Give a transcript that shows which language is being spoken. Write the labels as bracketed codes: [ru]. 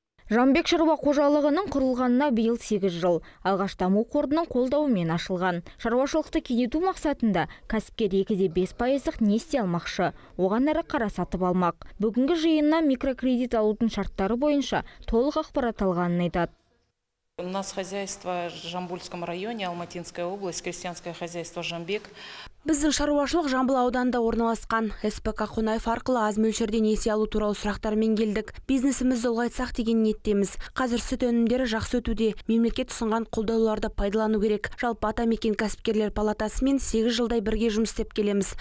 [kk] Жамбек шаруа қожалығының құрылғанына биыл 8 жыл. Алғаш даму қорының қолдауымен ашылған. Шаруашылықты кеңейту мақсатында кәсіпкер 2,5% несие алмақшы. Оған әрі қара сатып алмақ. Бүгінгі жиынына микрокредит алудың шарттары бойынша толық ақпарат алғанын айтады. [ru] У нас хозяйство в Жамбульском районе, Алматинская область, крестьянское хозяйство Жамбек. [kk] Біздің шаруашылық Жамбыл ауданында орналасқан. СПК Қонаев арқылы аз мөлшерде несие алу туралы сұрақтармен келдік. Бизнесімізді ұлғайтсақ деген ниеттеміз. Қазір сүт өнімдері жақсы өтуде. Мемлекет ұсынған қолдауларды пайдалану керек. Жалпы Атамекен кәсіпкерлер палатасымен 8 жылдай бірге жұмыс істеп келеміз.